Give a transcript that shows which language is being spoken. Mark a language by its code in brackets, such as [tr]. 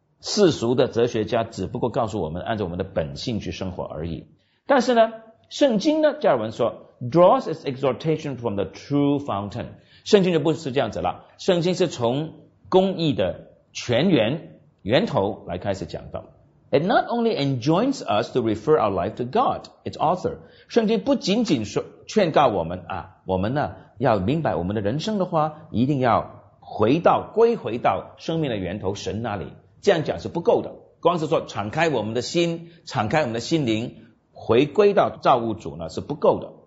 [zh] 世俗的哲学家只不过告诉我们按照我们的本性去生活而已。但是呢，圣经呢，加尔文说 [en] draws its exhortation from the true fountain， [zh] 圣经就不是这样子了，圣经是从公义的泉源、源头来开始讲道。 [en] It not only enjoins us to refer our life to God, its author. [zh] 圣经不仅仅说劝告我们啊，我们呢要明白我们的人生的话，一定要回到归回到生命的源头神那里。这样讲是不够的，光是说敞开我们的心，敞开我们的心灵，回归到造物主呢是不够的。